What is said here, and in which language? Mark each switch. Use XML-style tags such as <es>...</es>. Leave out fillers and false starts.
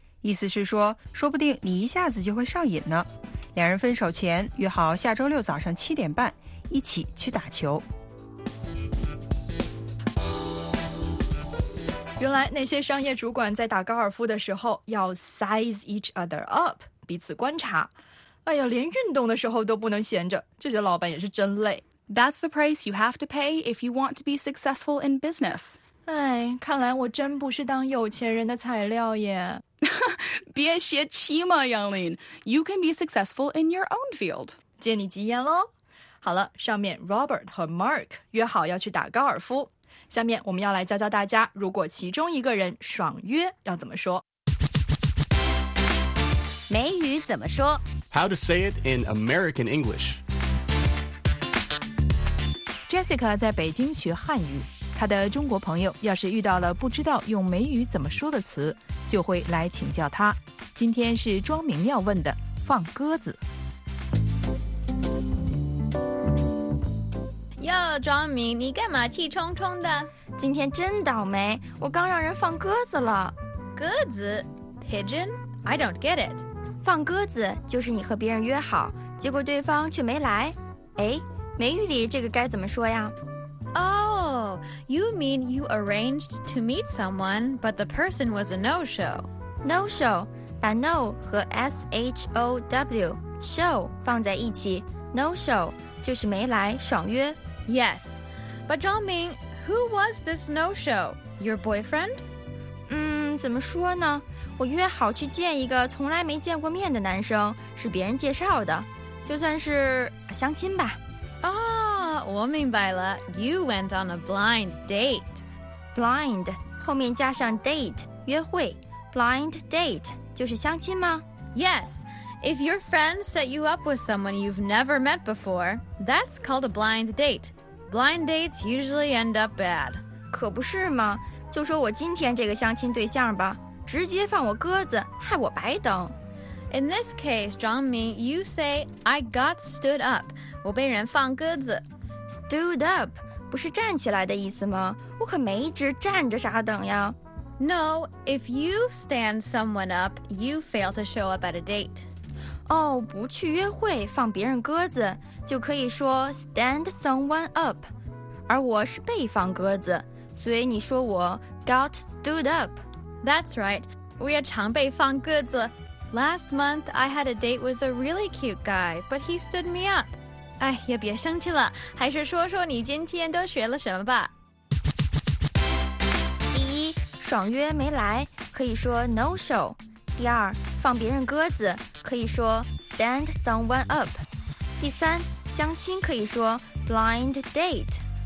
<zh>意思是说，说不定你一下子就会上瘾呢。两人分手前约好下周六早上7:30一起去打球。原来那些商业主管在打高尔夫的时候要</zh> <en>size each other up,</en> <zh>彼此观察。哎呀，连运动的时候都不能闲着，这些老板也是真累。</zh> <en>That's the price you have to pay if you want to be successful in business.</en> <zh>哎，看来我真不是当有钱人的材料耶。别泄气嘛，杨林。</zh> <en>You can be successful in your own field.</en> <zh>借你吉言喽。好了，上面 Robert 和 Mark 约好要去打高尔夫。下面我们要来教教大家，如果其中一个人爽约要怎么说。美语怎么说？</zh> <en>How to say it in American English.</en> <zh>Jessica 在北京学汉语，她的中国朋友要是遇到了不知道用美语怎么说的词，就会来请教她。今天是庄明要问的，放鸽子。哟，庄明，你干嘛气冲冲的？今天真倒霉，我刚让人放鸽子了。鸽子</zh> <en>？Pigeon? I don't get it.</en> <zh>放鸽子就是你和别人约好，结果对方却没来。哎，美语里这个该怎么说呀</zh> <en>？Oh, you mean you arranged to meet someone, but the person was a no-show.</en> <zh>No-show， 把 no 和 show show 放在一起 ，no-show 就是没来，爽约。</zh> <en>Yes, but Zhang Ming, who was this no-show? Your boyfriend?</en> <zh>怎么说呢？我约好去见一个从来没见过面的男生，是别人介绍的，就算是相亲吧。我明白了。</zh> <en>You went on a blind date.</en> <zh>Blind 后面加上 date 约会 ，blind date 就是相亲吗</zh> <en>？Yes. If your friend set you up with someone you've never met before, that's called a blind date. Blind dates usually end up bad.</en> <zh>可不是吗？就说我今天这个相亲对象吧，直接放我鸽子，害我白等。</zh> <en>In this case, Zhang Ming, you say, I got stood up.</en> <zh>我被人放鸽子。 Stood up 不是站起来的意思吗？我可没一直站着啥等呀。</zh> <en>No, if you stand someone up, you fail to show up at a date.</en> <zh>哦、oh, ，不去约会放别人鸽子，就可以说 stand someone up， 而我是被放鸽子，所以你说我 got stood up。</zh> <en>That's right，</en> <zh>我也常被放鸽子。</zh> <en>Last month I had a date with a really cute guy， but he stood me up。</en> <zh>哎，也别生气了，还是说说你今天都学了什么吧。第一，爽约没来，可以说 no show。第二，放别人鸽子可以说 stand someone up。第三，相亲可以说 blind date。</zh>